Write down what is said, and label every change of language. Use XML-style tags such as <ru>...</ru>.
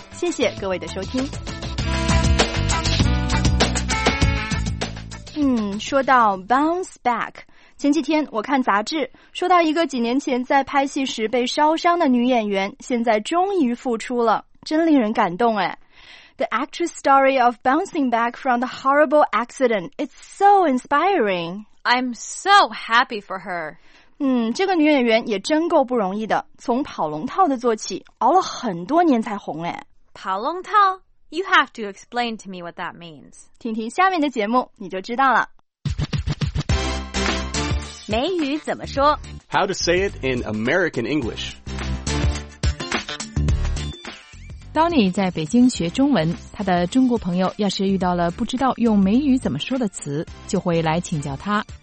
<zh>谢谢各位的收听。说到 bounce back， 前几天我看杂志，说到一个几年前在拍戏时被烧伤的女演员，现在终于复出了，真令人感动哎。</zh> <en>The actress story of bouncing back from the horrible accident. It's so inspiring. I'm so happy for her.</en> <zh>这个女演员也真够不容易的，从跑龙套的做起，熬了很多年才红哎。跑龙套？</zh> <en>You have to explain to me what that means.</en> <zh>听听下面的节目，你就知道了。美语怎么说？</zh> <en>How to say it in American English.</en> <zh>Donny 在北京学中文，他的中国朋友要是遇到了不知道用美语怎么说的词，就会来请教他。</zh>